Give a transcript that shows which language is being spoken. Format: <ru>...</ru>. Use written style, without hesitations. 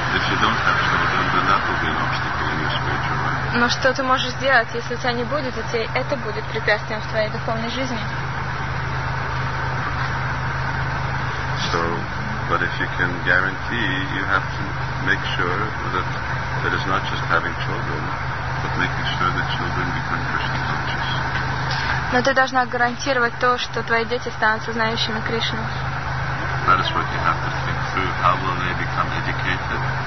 <en>If you don't have children, then that will be an obstacle in your spiritual life.</en> <ru>Но что ты можешь сделать, если у тебя не будет детей? Это будет препятствием в твоей духовной жизни.</ru> <en>So, but if you can guarantee, you have to make sure that it is not just having children, but making sure that children become Krishna conscious.</en> <ru>Но ты должна гарантировать то, что твои дети станут сознающими Кришну.</ru> <en>That is what you have to think through. How will they become educated?</en>